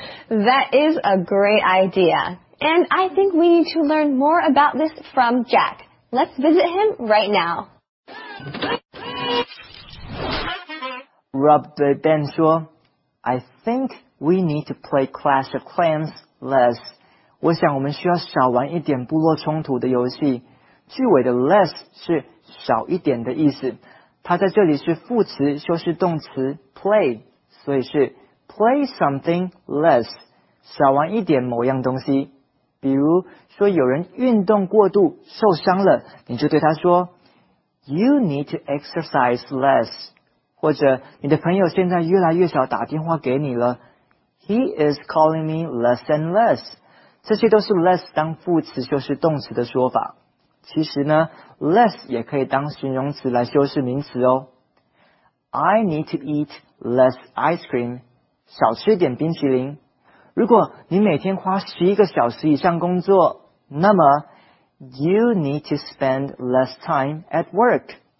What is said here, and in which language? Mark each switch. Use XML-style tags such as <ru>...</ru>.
<en>That is a great idea. And I think we need to learn more about this from Jack. Let's visit him right now. Rob</en> <zh>对 Ben 说,</zh> <en>I think we need to play Clash of Clans less.</en> <zh>我想我们需要少玩一点部落冲突的游戏。句尾的 less 是少一点的意思。它在这里是副词修饰动词 play, 所以是</zh> <en>play something less,</en> <zh>少玩一点某样东西。比如说有人运动过度受伤了，你就对他说</zh> <en>You need to exercise less.</en> <zh>或者你的朋友现在越来越少打电话给你了，</zh> <en>He is calling me less and less.</en> <zh>这些都是 less 当副词修饰动词的说法。其实呢， less 也可以当形容词来修饰名词哦。</zh> <en>I need to eat less ice cream.</en> <zh>少吃点冰淇淋。如果你每天花11小时以上工作，那么</zh> <en>you need to spend less time at work.</en>